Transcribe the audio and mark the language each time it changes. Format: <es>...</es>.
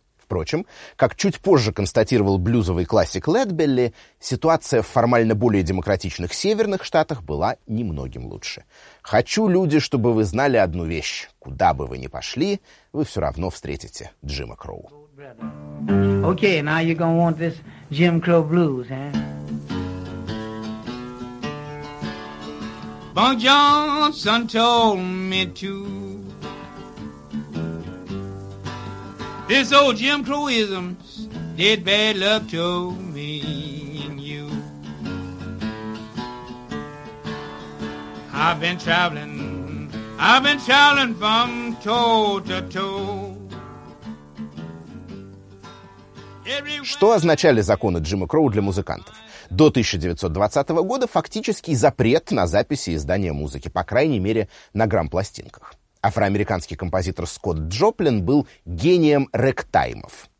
<ru>Впрочем, как чуть позже констатировал блюзовый классик Лэдбелли, ситуация в формально более демократичных северных штатах была немногим лучше. «Хочу, люди, чтобы вы знали одну вещь. Куда бы вы ни пошли, вы все равно встретите Джима Кроу».</ru> <en>Okay, now you're gonna want this Jim Crow blues, huh? Bunk Johnson told me to. This old Jim Crowisms did bad luck to me and you. I've been traveling from toe to toe.</en> <ru>Что означали законы Джима Кроу для музыкантов? До 1920 года фактический запрет на записи и издание музыки, по крайней мере, на грампластинках. Афроамериканский композитор Скотт Джоплин был гением рэгтаймов.</ru>